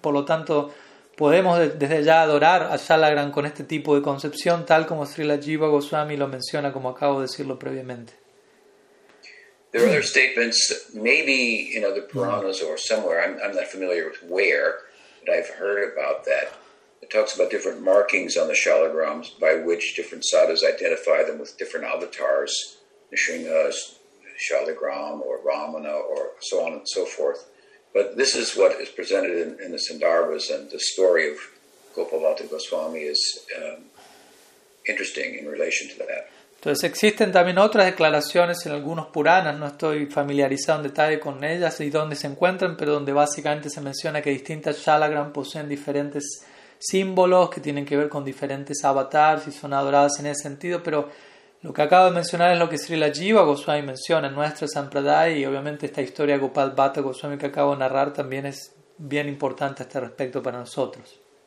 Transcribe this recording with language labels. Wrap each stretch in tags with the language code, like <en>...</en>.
<es>Por lo tanto, podemos desde ya adorar a Shalagram con este tipo de concepción, tal como Srila Jiva Goswami lo menciona, como acabo de decirlo previamente.</es> <en>There are other statements, maybe in other Puranas or somewhere, I'm not familiar with where, but I've heard about that. It talks about different markings on the Shalagrams by which different sadhus identify them with different avatars, Nisringa, Shalagram, or Ramana, or so on and so forth. But this is what is presented in the Sandarbhas, and the story of Gopalata Goswami is interesting in relation to that.</en> <es>Entonces existen también otras declaraciones en algunos Puranas, no estoy familiarizado en detalle con ellas y dónde se encuentran, pero donde básicamente se menciona que distintas Shalagram poseen diferentes símbolos que tienen que ver con diferentes avatars y son adoradas en ese sentido, pero lo que acabo de mencionar es lo que Srila Jiva Goswami menciona en nuestra Sampradaya, y obviamente esta historia de Gopal Bhatta Goswami que acabo de narrar también es bien importante a este respecto para nosotros.</es>